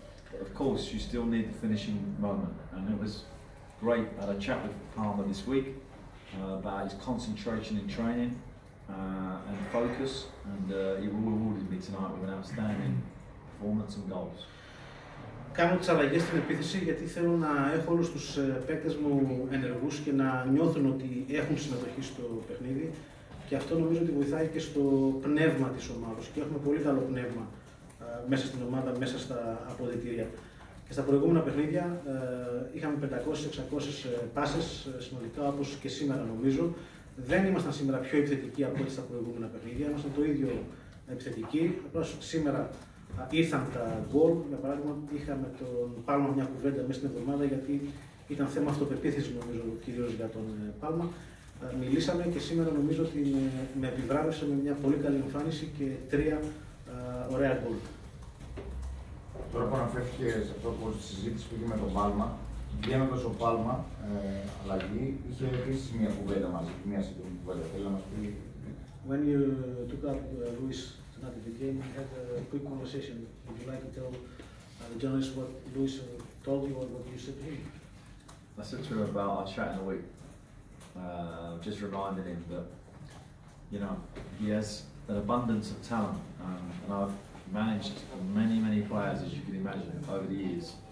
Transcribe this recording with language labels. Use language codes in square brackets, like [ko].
[en] But of course, you still need the finishing moment, and it was great. I had a chat with Palmer this week. About his concentration in training and focus, and he rewarded me tonight with an outstanding performance and goals. [el] Κάνω τις αλλαγές στην επίθεση γιατί θέλω να έχω όλους τους παίκτες μου ενεργούς και να νιώθουν ότι έχουν συμμετοχή στο παιχνίδι, και αυτό νομίζω ότι βοηθάει και στο πνεύμα της ομάδας, και έχουμε πολύ καλό πνεύμα μέσα στην ομάδα, μέσα στα αποδυτήρια. Και στα προηγούμενα παιχνίδια είχαμε 500-600 πάσες συνολικά, όπως και σήμερα νομίζω. Δεν ήμασταν σήμερα πιο επιθετικοί από ό,τι στα προηγούμενα παιχνίδια, ήμασταν το ίδιο επιθετικοί. Απλώς σήμερα ήρθαν τα γκολ. Για παράδειγμα, είχαμε τον Πάλμα μια κουβέντα μέσα στην εβδομάδα, γιατί ήταν θέμα αυτοπεποίθησης νομίζω κυρίως για τον Πάλμα. Μιλήσαμε και σήμερα νομίζω ότι με επιβράβευσε με μια πολύ καλή εμφάνιση και 3 ωραία γκολ. Τώρα που αναφέρθηκε σε αυτό που στη συζήτηση που είχε με τον Πάλμα, βγαίνοντας ο Πάλμα αλλαγή, είχε επίσης μια κουβέντα μαζί, μια σύντομη κουβέντα. Θέλει να μας πει. [en] When you took up Luis tonight in the game, you had a quick conversation. Would you like to tell the journalist what Luis told you or what you said to him? I said to him about our chat in the week. Just reminded him that, you know, he has an abundance of talent, and I've managed many, many players, as you can imagine, over the years.